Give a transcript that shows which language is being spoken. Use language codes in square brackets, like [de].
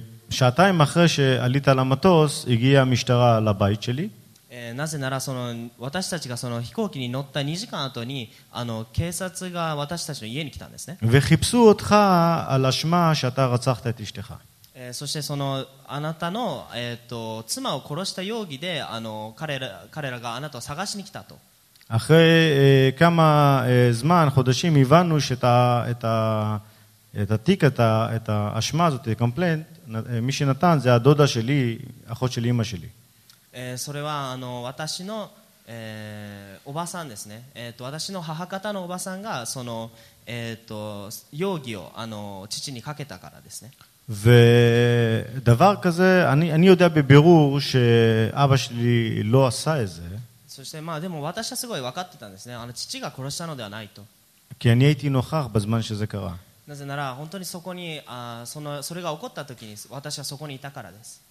[he] שעתיים אחרי שעלית למטוס הגיע המשטרה לבית שלי. [ja] なぜならその私たちがその飛行機に乗った2時間後にあの警察が私たちの家に来たんですね。 [he] וחיפשו אותך על השמה שאתה רצחת את אשתך. [ja] そしてそのあなたの妻を殺した容疑であの彼らがあなたを探しに来たと。 [he] אחרי כמה זמן חודשים הבנו שאתה את התיק את האשמה הזאת קומפלנט מי שנתן זה הדודה שלי אחות של אמא שלי. [ja] それはあの私のおばさんですね。私の母方のおばさんがその容疑をあの父にかけたからですね。 [he] ודבר כזה אני יודע בבירור שאבא שלי לא עשה את זה. [ja] そしてまあでも私はすごい分かってたんですね。あの父が殺したのではないと。 [he] כי אני הייתי נוכח בזמן שזה קרה. [ja] なぜなら本当にそこにあそのそれが起こった時に私はそこにいたからです。